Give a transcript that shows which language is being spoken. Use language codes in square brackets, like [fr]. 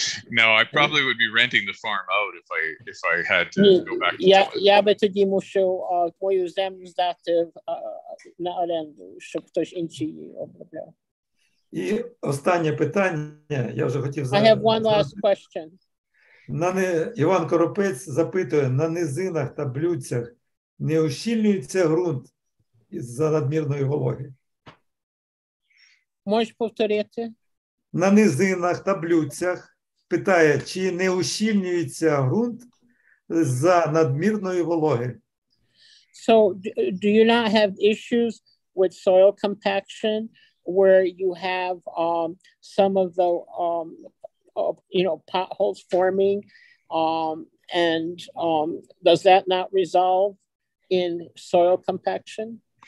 [en] No, I probably would be renting the farm out if I had to go back to college. [uk] Я би тоді мусив твою землю здати на оренду, щоб хтось інший її обробляв. І останнє питання, я вже хотів задати. [en] I have one last question. [uk] Іван Коропець запитує, на низинах та блюдцях не ущільнюється ґрунт із-за надмірної вологи? Можеш повторити? На низинах та блюдцях питає, чи не ущільнюється ґрунт за надмірної вологи? [en] So, do you not have issues with soil compaction where you have some of the you know, potholes forming and does that not resolve in soil compaction?